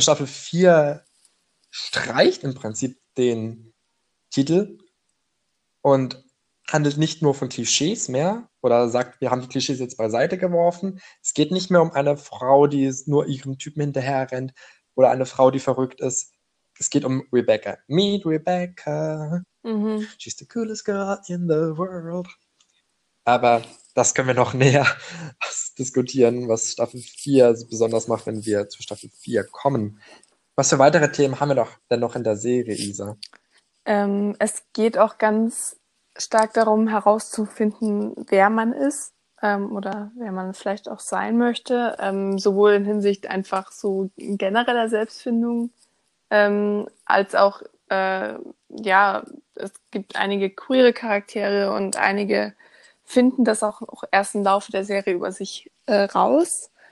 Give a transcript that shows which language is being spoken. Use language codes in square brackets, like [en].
[de] Staffel 4 streicht im Prinzip den Titel und handelt nicht nur von Klischees mehr oder sagt, wir haben die Klischees jetzt beiseite geworfen. Es geht nicht mehr um eine Frau, die nur ihrem Typen hinterher rennt oder eine Frau, die verrückt ist. Es geht um Rebecca. [en] Meet Rebecca. She's the coolest girl in the world. [de] Aber. Das können wir noch näher diskutieren, was Staffel 4 so besonders macht, wenn wir zu Staffel 4 kommen. Was für weitere Themen haben wir doch denn noch in der Serie, Isa? Es geht auch ganz stark darum, herauszufinden, wer man ist, oder wer man vielleicht auch sein möchte, sowohl in Hinsicht einfach so genereller Selbstfindung, als auch ja, es gibt einige queere Charaktere und einige finden das auch erst im Laufe der Serie über sich raus.